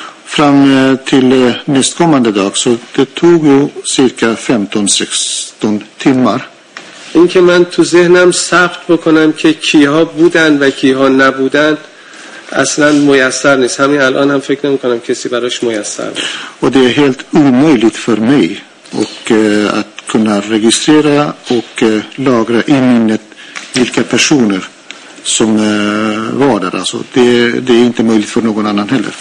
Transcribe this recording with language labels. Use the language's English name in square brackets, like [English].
[Swedish] Fram till nästkommande dag, så det tog ju cirka 15-16 timmar. [Persian] این که من تو ذهنم ثبت بکنم که کیها بودن و کیها نبودن اصلا میسر نیست. همین الان هم فکر نمی‌کنم کسی براش میسر. [Swedish] و det är helt omöjligt för mig att kunna registrera och lagra i minnet vilka personer som var där. Alltså, det är inte möjligt för någon annan heller.